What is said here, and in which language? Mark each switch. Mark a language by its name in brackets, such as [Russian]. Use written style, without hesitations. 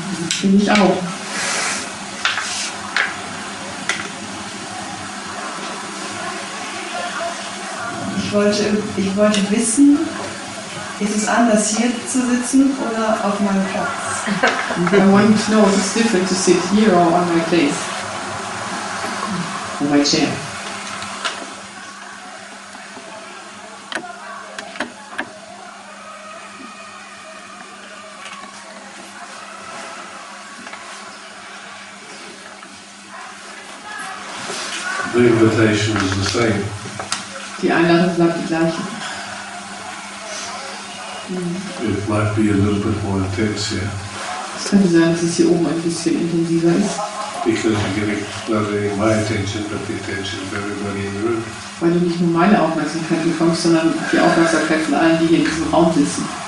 [German] Finde ich auch. Ich wollte wissen, ist es anders hier zu sitzen oder auf meinem Platz? [English] I wanted to know if it's different to sit here or on my place. On my chair. The invitation is the same. [German] Die Einladung bleibt die gleiche. [English] It might be a little bit more intense here. [German] Es könnte sein, dass es hier oben ein bisschen intensiver ist. [English] Because you're getting not only my attention, but the attention of everybody in the room. [German] Weil du nicht nur meine Aufmerksamkeit bekommst, sondern die Aufmerksamkeit von allen, die hier in diesem Raum sitzen.